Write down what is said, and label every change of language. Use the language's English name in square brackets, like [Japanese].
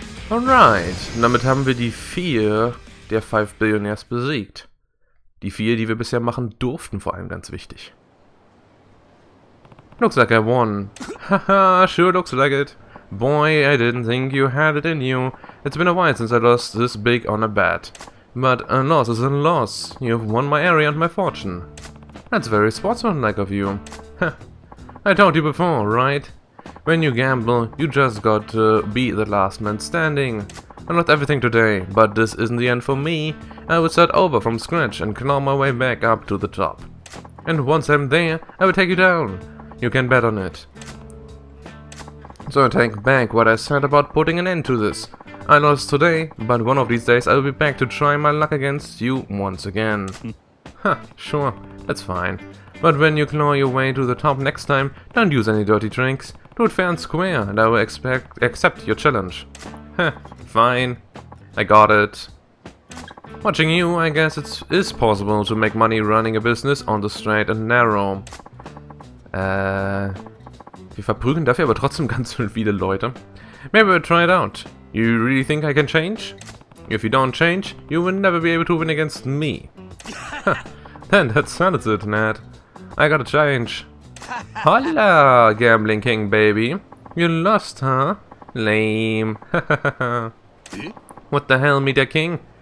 [German] Alright, damit haben wir die vier der 5 Billionaires besiegt. Die vier, die wir bisher machen durften, vor allem ganz wichtig. [English] Looks like I won. Haha, sure looks like it. Boy, I didn't think you had it in you. It's been a while since I lost this big on a bet. But a loss is a loss. You've won my area and my fortune. That's very sportsmanlike of you. Huh. I told you before, right? When you gamble, you just got to be the last man standing. I'm not everything today, but this isn't the end for me. I will start over from scratch and claw my way back up to the top. And once I'm there, I will take you down. You can bet on it. So I take back what I said about putting an end to this. I lost today, but one of these days I will be back to try my luck against you once again. Huh, sure, that's fine. But when you claw your way to the top next time, don't use any dirty tricks. Do it fair and square, and I will accept your challenge. Heh. Fine, I got it. Watching you, I guess it is possible to make money running a business on the straight and narrow. [German] Wir verprügeln dafür aber trotzdem ganz schön viele Leute. [English] Maybe we'll try it out. You really think I can change? If you don't change, you will never be able to win against me. Then that settles it, Ned. I gotta change. Holla, gambling king, baby. You lost, huh? Lame. What the hell, Media King?